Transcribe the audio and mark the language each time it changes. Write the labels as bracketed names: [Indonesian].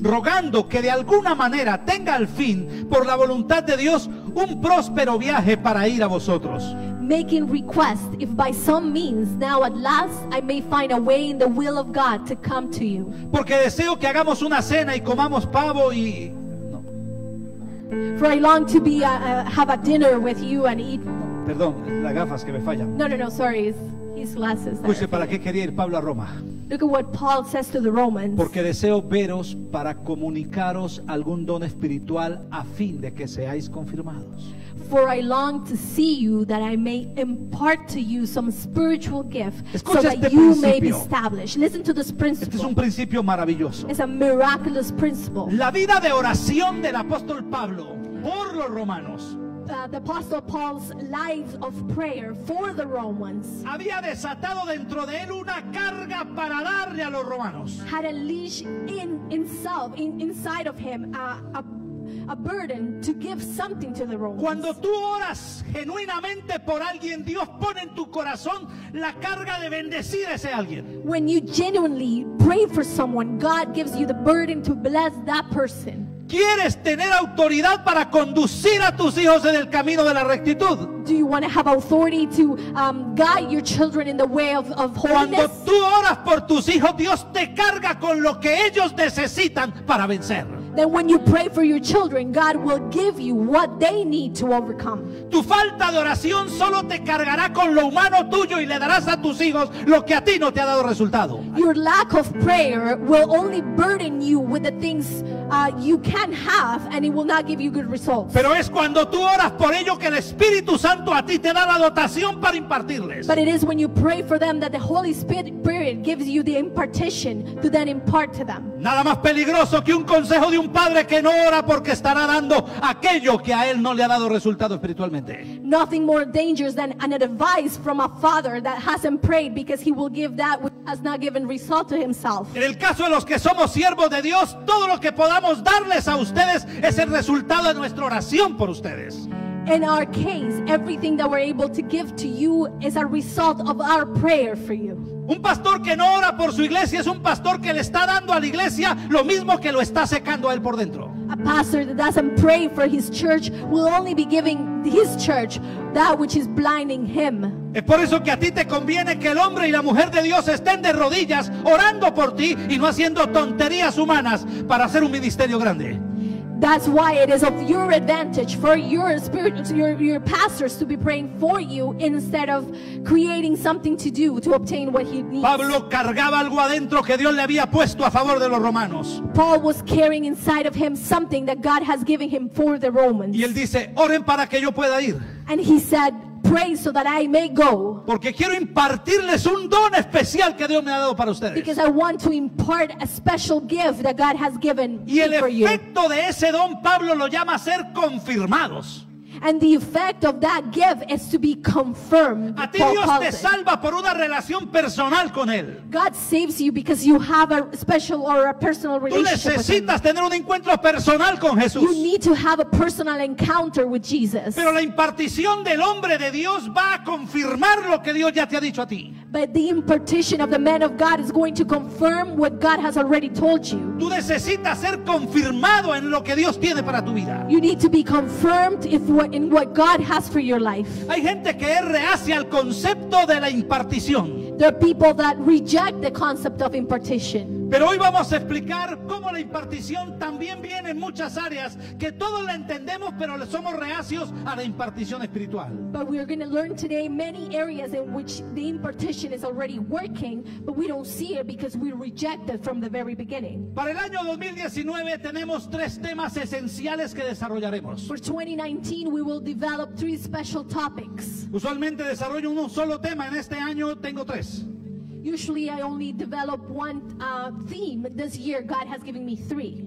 [Spanish] Rogando que de alguna manera tenga al fin, por la voluntad de Dios, un próspero viaje para ir a vosotros. [English] Making request, if by some means now at last I may find a way in the will of God to come to you. [Spanish] Porque deseo que hagamos una cena y comamos pavo y... No. [English] For I long to be have a dinner with you and eat. [Spanish] Perdón, las gafas que me fallan. [English] No, sorry, his glasses. [Spanish] Escuche, ¿para qué quería ir Pablo a Roma? [English] Look at what Paul says to the Romans. [Spanish] Porque deseo veros para comunicaros algún don espiritual a fin de que seáis confirmados. [English] For I long to see you that I may impart to you some spiritual gift. [Spanish] Escucha, [English] so that este you [Spanish] principio. [English] May be established. Listen to this principle. [Spanish] Este es un principio maravilloso. [English] It's a miraculous principle. [Spanish] La vida de oración del apóstol Pablo por los romanos. [English] The apostle Paul's life of prayer for the Romans [Spanish] había desatado dentro de él una carga para darle a los romanos. [English] Had a leash inside of him a burden to give something to the Romans. [Spanish] Cuando tú oras genuinamente por alguien, Dios pone en tu corazón la carga de bendecir a ese alguien. [English] When you genuinely pray for someone, God gives you the burden to bless that person. [Spanish] ¿Quieres tener autoridad para conducir a tus hijos en el camino de la rectitud? [English] Do you want to have authority to guide your children in the way of holiness? [Spanish] Cuando tú oras por tus hijos, Dios te carga con lo que ellos necesitan para vencer. [English] Then when you pray for your children, God will give you what they need to overcome. [Spanish] Tu falta de oración solo te cargará con lo humano tuyo y le darás a tus hijos lo que a ti no te ha dado resultado. [English] Your lack of prayer will only burden you with the things you can have and it will not give you good results. [Spanish] Pero es cuando tú oras por ellos que el Espíritu Santo a ti te da la dotación para impartirles. [English] But it is when you pray for them that the Holy Spirit gives you the impartition to then impart to them. [Spanish] Nada más peligroso que un consejo de un padre que no ora porque estará dando aquello que a él no le ha dado resultado espiritualmente. [English] Nothing more dangerous than an advice from a father that hasn't prayed because he will give that which has not given result to himself. [Spanish] En el caso de los que somos siervos de Dios, todo lo que podamos darles a ustedes es el resultado de nuestra oración por ustedes. [English] In our case, everything that we're able to give to you is a result of our prayer for you. [Spanish] Un pastor que no ora por su iglesia es un pastor que le está dando a la iglesia lo mismo que lo está secando a él por dentro. [English] A pastor that doesn't pray for his church will only be giving his church that which is blinding him. [Spanish] Es por eso que a ti te conviene que el hombre y la mujer de Dios estén de rodillas orando por ti y no haciendo tonterías humanas para hacer un ministerio grande. [English] That's why it is of your advantage for your spiritual, your pastors to be praying for you instead of creating something to do to obtain what he needs. [Spanish] Pablo cargaba algo adentro que Dios le había puesto a favor de los romanos. [English] Paul was carrying inside of him something that God has given him for the Romans. [Spanish] Y él dice, oren para que yo pueda ir. [English] And he said, pray so that I may go. [Spanish] Porque quiero impartirles un don especial que Dios me ha dado para ustedes. [English] Because I want to impart a special gift that God has given for you. [Spanish] Y el efecto de ese don Pablo lo llama ser confirmados. [English] And the effect of that gift is to be confirmed. [Spanish] A ti Dios te salva por una relación personal con él. [English] God saves you because you have a special or a personal relationship. [Spanish] Tú necesitas tener un encuentro personal con Jesús. [English] You need to have a personal encounter with Jesus. [Spanish] Pero la impartición del hombre de Dios va a confirmar lo que Dios ya te ha dicho a ti. [English] But the impartition of the man of God is going to confirm what God has already told you. [Spanish] Tú necesitas ser confirmado en lo que Dios tiene para tu vida. [English] You need to be confirmed in what God has for your life. [Spanish] Hay gente que es reacia al concepto de la impartición. [English] There are people that reject the concept of impartition. [Spanish] Pero hoy vamos a explicar cómo la impartición también viene en muchas áreas que todos la entendemos, pero somos reacios a la impartición espiritual. [English] But we are going to learn today many areas in which the impartition is already working, but we don't see it because we reject it from the very beginning. [Spanish] Para el año 2019 tenemos tres temas esenciales que desarrollaremos. [English] For 2019 we will develop three special topics. [Spanish] Usualmente desarrollo un solo tema, en este año tengo tres. [English] Usually I only develop one theme. This year God has given me three.